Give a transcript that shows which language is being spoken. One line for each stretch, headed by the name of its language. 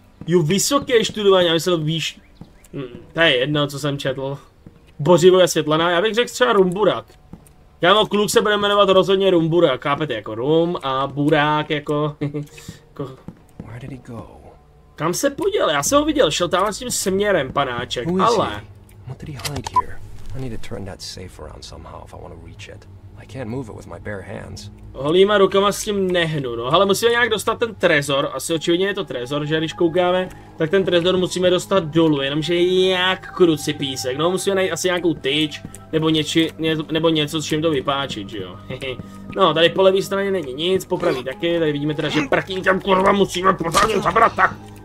Czech: Jo, vysoké študování, já myslel výš... to je jedno, co jsem četl. Bořivo je světlená, já bych řekl třeba Rumburak. Já mám kluk se bude jmenovat rozhodně Rumburak, chápete, jako Rum a Burák, jako... jako...
English: Where did he go?
Czech: Kam se poděl? Já jsem ho viděl, šel tam s tím směrem, panáček, ale...
English: What did he hide here? I need to turn that safe around somehow if I want to reach it. I can't move it with my bare hands.
Czech: Holýma rukama s tím nehnu, no. Ale musíme nějak dostat ten trezor. Asi očividně je to trezor, že když koukáme, tak ten trezor musíme dostat dolů, jenomže jak kruci písek. No, musíme najít asi nějakou tyč, nebo něco, s čím to vypáčit, že jo. No, tady po levé straně není nic, po pravý taky, tady vidíme teda, že prkým tam kurva musíme pořádně zabrat, tak.